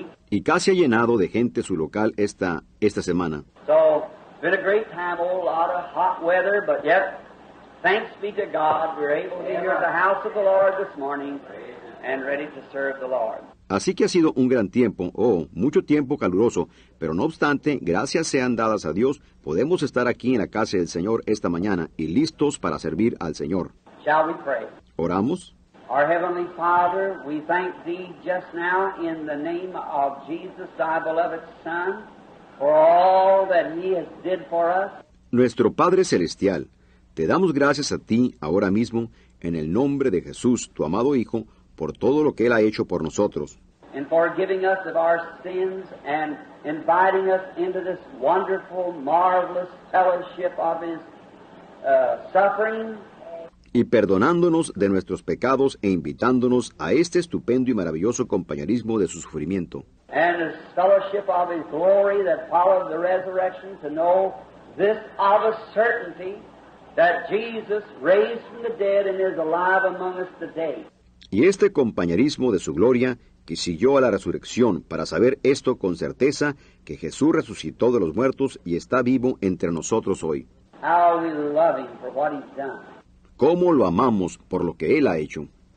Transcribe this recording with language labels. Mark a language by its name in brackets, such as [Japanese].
[Spanish] Y casi ha llenado de gente su local esta semana. [English] So, been a great time, old lot of hot weather, but yet, thanks be to God, we're able to be here at the house of the Lord this morning and ready to serve the Lord. [Spanish] Así que ha sido un gran tiempo, mucho tiempo caluroso, pero no obstante, gracias sean dadas a Dios, podemos estar aquí en la casa del Señor esta mañana y listos para servir al Señor. [English] Shall we pray? [Spanish] Oramos. [English] Our Heavenly Father, we thank Thee just now in the name of Jesus, Thy beloved Son, for all that He has did for us. [Spanish] Nuestro Padre Celestial, te damos gracias a Ti ahora mismo en el nombre de Jesús, Tu amado Hijo, por todo lo que Él ha hecho por nosotros. [English] And for giving us of our sins and inviting us into this wonderful, marvelous fellowship of His suffering. [Spanish] Y perdonándonos de nuestros pecados e invitándonos a este estupendo y maravilloso compañerismo de su sufrimiento. [English] And this fellowship of His glory that followed the resurrection, to know this of a certainty that Jesus raised from the dead and is alive among us today. [Spanish] Y este compañerismo de su gloria, que siguió a la resurrección para saber esto con certeza, que Jesús resucitó de los muertos y está vivo entre nosotros hoy. [English] How we love him for what he's done. [Spanish] Cómo lo amamos por lo que Él ha hecho.